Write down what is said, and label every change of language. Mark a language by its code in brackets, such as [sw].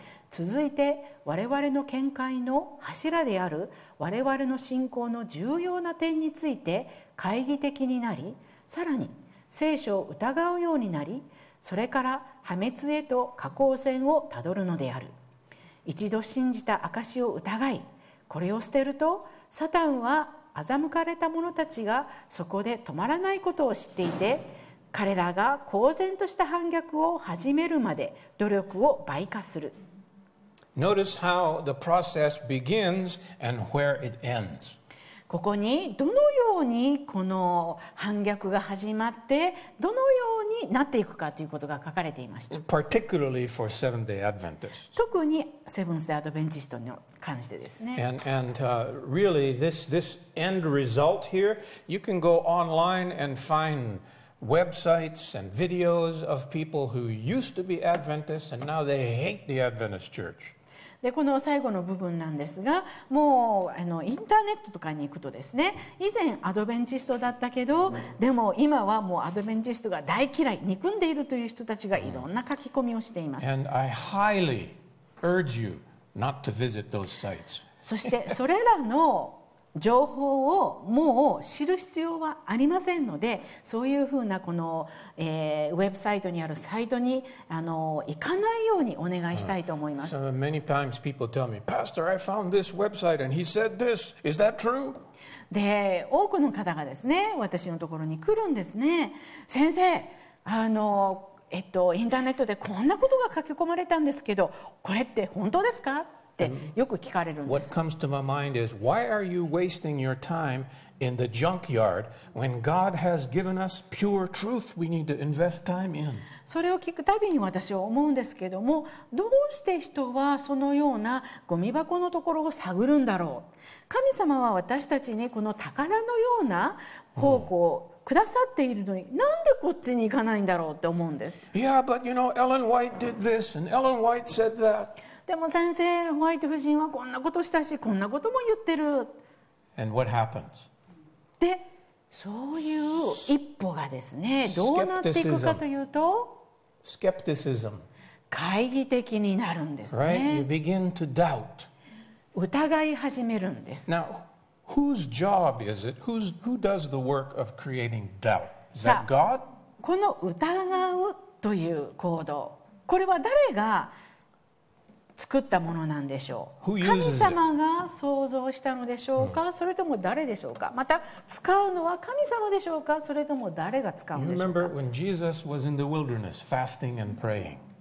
[ja] 続いて、我々の見解の柱である我々の信仰の重要な点について懐疑的になり、さらに、聖書を疑うようになり、それから破滅へと下降線をたどるのである。一度信じた証を疑い、これを捨てるとサタンは欺かれた者たちがそこで止まらないことを知っていて、彼らが公然とした反逆を始めるまで努力を倍化する。 [en] Notice how the process begins and where it ends. [ja] ここにどのようにこの反逆が始まってどのようになっていくかということが書かれていました。 [en] Particularly for Seventh-day Adventists. [ja] 特にセブンス・デイ・アドベンチストに関してですね。 [en] And really this end result here, you can go online and find websites and videos of people who used to be Adventists and now they hate the Adventist Church. [ja] でこの最後の部分なんですが、もうあのインターネットとかに行くとですね、以前アドベンチストだったけど、でも今はもうアドベンチストが大嫌い、憎んでいるという人たちがいろんな書き込みをしています。 [en] And I highly urge you not to visit those sites. [ja] そしてそれらの情報をもう知る必要はありませんので、そういうふうなこの、ウェブサイトにあるサイトにあの行かないようにお願いしたいと思います。 [en] So many times people tell me, Pastor, I found this website and he said this. Is that true? [ja] で、多くの方がですね、私のところに来るんですね。先生、あの、インターネットでこんなことが書き込まれたんですけど、これって本当ですか? ってよく聞かれるんです。 [en] What comes to my mind is, why are you wasting your time in the junkyard when God has given us pure truth we need to invest time in? [ja] それを聞くたびに私は思うんですけども、どうして人はそのようなゴミ箱のところを探るんだろう。神様は私たちにこの宝のような宝庫をくださっているのに、なんでこっちに行かないんだろうって思うんです。 [en] Yeah, but you know, Ellen White did this and Ellen White said that. [ja] でも先生、ホワイト夫人はこんなことしたし、こんなことも言ってる。 [en] And what happens? [ja] で、そういう一歩がですね、どうなっていくかというと、 [en] skepticism。 [ja] 懐疑的になるんですね。 [en] Right? You begin to doubt. [ja] 疑い始めるんです。 [en] Now, whose job is it? Who does the work of creating doubt? Is that God? [ja] この疑うという行動、これは誰が作ったものなんでしょう。神様が創造したのでしょうか、それとも誰でしょうか。また使うのは神様でしょうか、それとも誰が使うんでしょうか。 [en] You remember when Jesus was in the wilderness fasting and praying?